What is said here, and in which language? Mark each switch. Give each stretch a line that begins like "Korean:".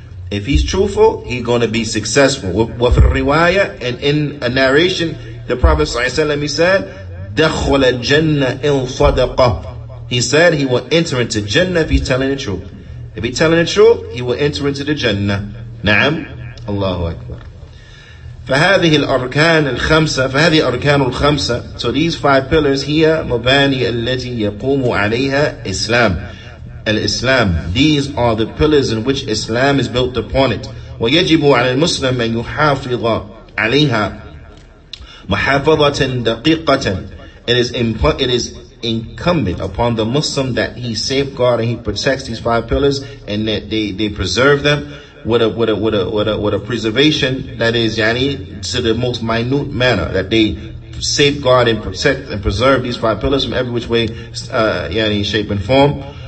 English: If he's truthful, he's going to be successful.
Arabic: وفي الرواية,
English: and in a narration, the Prophet صلى الله عليه وسلم, he said,
Arabic: دخل الجنة إن صدق.
English: He said, he will enter into Jannah if he's telling the truth. If he's telling the truth, he will enter into the Jannah.
Arabic: نعم, الله أكبر. فهذه الأركان الخمسة, فهذه أركان الخمسة.
English: So these five pillars here,
Arabic: مباني التي يقوم عليها إسلام. الإسلام.
English: These are the pillars in which Islam is built upon it.
Arabic: ويجب على المسلم أن يحافظ عليها محافظة دقيقة.
English: It is incumbent upon the Muslim that he safeguard and he protects these five pillars and that they preserve them with a preservation that is يعني to the most minute manner, that they safeguard and protect and preserve these five pillars from every which way, يعني shape and form.